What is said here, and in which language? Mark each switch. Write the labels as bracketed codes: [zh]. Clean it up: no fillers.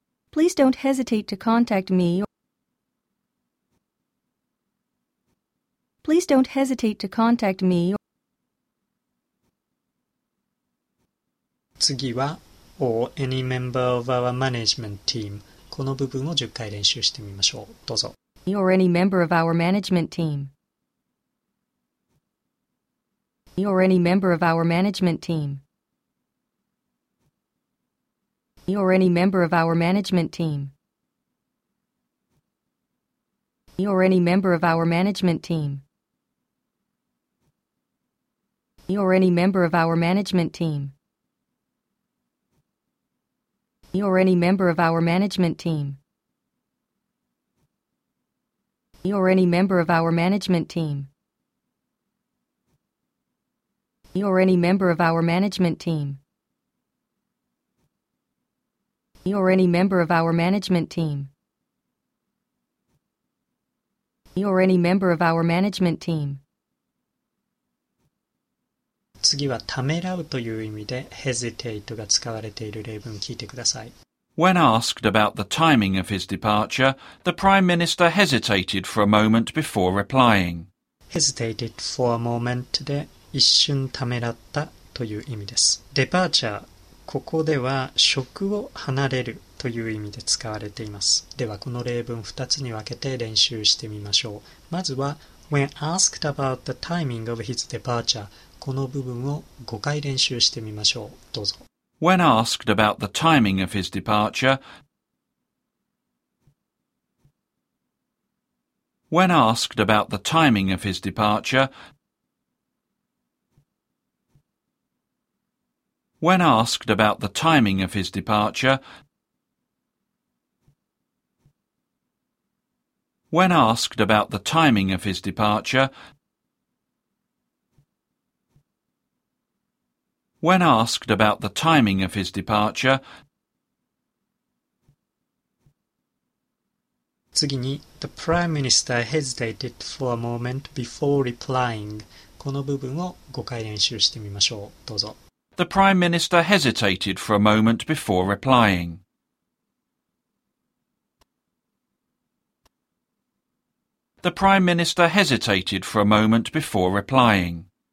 [en] Please don't hesitate to contact me. Please don't hesitate to contact me. [ja] 次は [en] or any member of our management team. [ja] この部分を10回練習してみましょう。どうぞ。 [en] Or any member of our management team. Or any member of our management team. Or any member of our management team. Or any member of our management team. Or any member of our management team. Or any member of our management team. Or any member of our management team. Or any member of our management team. You're any member of our management team. You're any member of our management team. [ja] 次はためらうという意味で hesitate が使われている例文聞いてください。 [en] When asked about the timing of his departure, the Prime Minister hesitated for a moment before replying. Hesitated for a moment [ja] で一瞬ためらったという意味です。 [en] Departure. [ja] ここでは職を離れるという意味で使われています。ではこの例文2つに分けて練習してみましょう。まずは [en] When asked about the timing of his departure [ja] この部分を5回練習してみましょう。どうぞ。 [en] When asked about the timing of his departure When asked about the timing of his departureWhen asked about the timing of his departure, When asked about the timing of his departure, when asked about the timing of his departure, [ja] 次に、 [en] The Prime Minister hesitated for a moment before replying. [ja] この部分を5回練習してみましょう。どうぞ。 [en] The Prime Minister hesitated for a moment before replying. The Prime Minister hesitated for a moment before replying.